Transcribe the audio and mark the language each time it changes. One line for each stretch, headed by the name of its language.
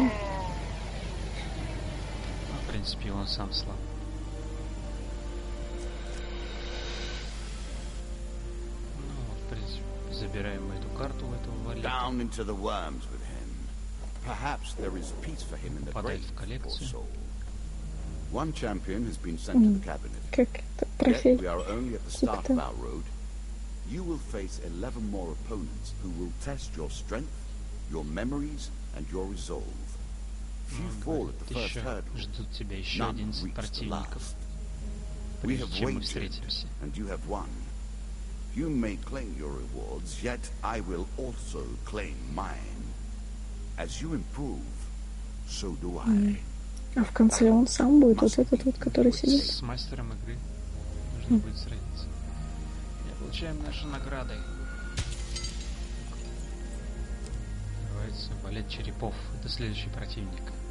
Russian: Ну, в принципе, он сам слаб. Ну, в принципе, забираем мы эту карту у этого валета. Попадает в коллекцию.
English: One champion has been sent to the cabinet. Yet we are only at the start of our road. You will face 11 more opponents who will test your strength, your memories, and your resolve. If you fall at the first hurdle, none reach the last. We have wagered, and you have won. You may claim your rewards, yet I will also claim mine. As you improve, so do I.
Russian: А в конце он сам будет, вот этот вот, который сидит. С мастером игры нужно будет сразиться. И получаем наши награды. Называется Валет Черепов. Это следующий противник.